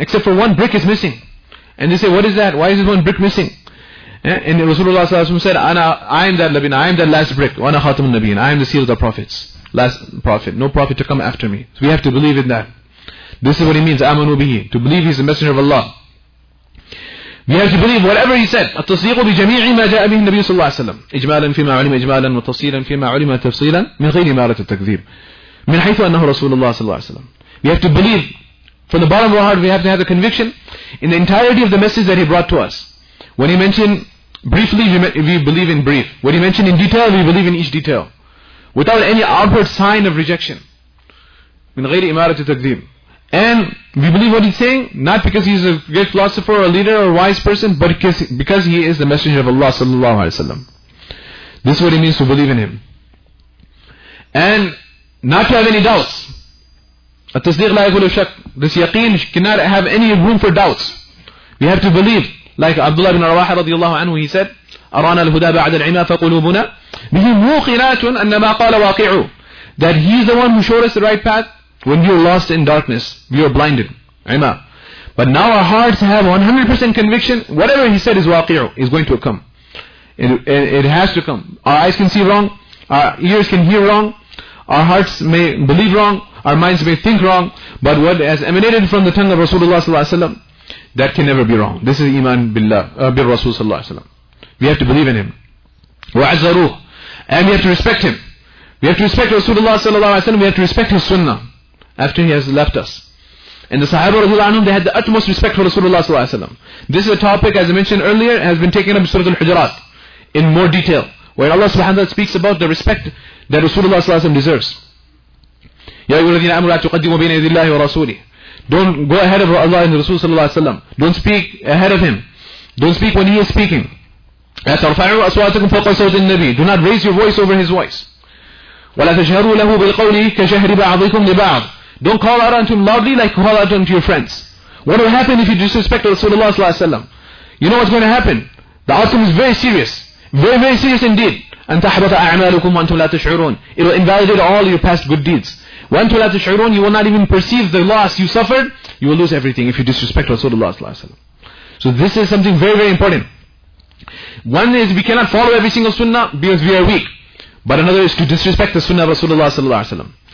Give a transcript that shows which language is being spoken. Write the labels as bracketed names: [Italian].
[English] Except for one brick is missing. And they say, what is that? Why is this one brick missing? And Rasulullah صلى الله عليه وسلم said, I am that last brick. [Arabic] وَأَنَا خَاتُمُ النَّبِيِّينَ. [English] I am the seal of the prophets. Last prophet. No prophet to come after me. So we have to believe in that. This is what he means, [Arabic] آمَنُوا بِهِ. [English] To believe he is the messenger of Allah. We have to believe whatever he said. [Arabic] التصديق بجميع ما جاء به النبي صلى الله عليه وسلم. إجمالا فيما علم إجمالا وتفصيلا فيما علم تفصيلا من غير إمارة التكذيب. من حيث أنه رسول الله صلى الله عليه وسلم. [English] We have to believe. From the bottom of our heart, we have to have the conviction in the entirety of the message that he brought to us. When he mentioned briefly, we believe in brief. When he mentioned in detail, we believe in each detail. Without any outward sign of rejection. [Arabic] من غير إمارة التكذيب. [English] And we believe what he's saying, not because he's a great philosopher, or a leader, or a wise person, but because he is the messenger of Allah sallallahu alaihi wasallam. This is what it means to believe in him. And not to have any doubts. [Arabic] التصديق لا يقول شك. [English] This yaqeen cannot have any room for doubts. We have to believe. Like Abdullah ibn Rawaha radiallahu anhu, he said, [Arabic] أَرَانَا الْهُدَى بَعْدَ الْعِمَى فَقُلُوبُنَا بِهِ مُوْقِنَاتٌ أَنَّ مَا قَالَ وَاقِعُ. [English] That he is the one who showed us the right path when we were lost in darkness. We were blinded. عِمَى. But now our hearts have 100% conviction. Whatever he said is waqi'u, is going to come. It has to come. Our eyes can see wrong. Our ears can hear wrong. Our hearts may believe wrong. Our minds may think wrong, but what has emanated from the tongue of Rasulullah sallallahu alaihi wasallam, that can never be wrong. This is iman billah, bil Rasul sallallahu alaihi wasallam. We have to believe in him. [Arabic] وَعَزَّرُوهُ. [English] And we have to respect him. We have to respect Rasulullah sallallahu alaihi wasallam. We have to respect his sunnah after he has left us. And the Sahaba radhiyallahu anhum, they had the utmost respect for Rasulullah sallallahu alaihi wasallam. This is a topic, as I mentioned earlier, has been taken up in Surah Al-Hujurat in more detail, where Allah subhanahu wa ta'ala speaks about the respect that Rasulullah sallallahu alaihi wasallam deserves. [Arabic] يا أيها الذين آمنوا لا تقدموا بين يدي الله ورسوله. [English] Don't go ahead of Allah and the Rasul صلى الله عليه وسلم. Don't speak ahead of him. Don't speak when he is speaking. [Arabic] لا ترفعوا أصواتكم فوق صوت النبي. [English] Do not raise your voice over his voice. [Arabic] ولا تجهروا له بالقول كجهر بعضكم لبعض. [English] Don't call out unto him loudly like you call out unto your friends. What will happen if you disrespect Rasulullah صلى الله عليه وسلم? You know what's going to happen. The outcome is very serious. Very, very serious indeed. [Arabic] أن تحبط أعمالكم وأنتم لا تشعرون. [English] It will invalidate all your past good deeds. [Arabic] وَأَنْتُوا لَا تَشْعُرُونَ. [English] You will not even perceive the loss you suffered. You will lose everything if you disrespect Rasulullah sallallahu alaihi wasallam. So this is something very, very important. One is we cannot follow every single sunnah because we are weak. But another is to disrespect the sunnah of Rasulullah sallallahu alaihi wasallam.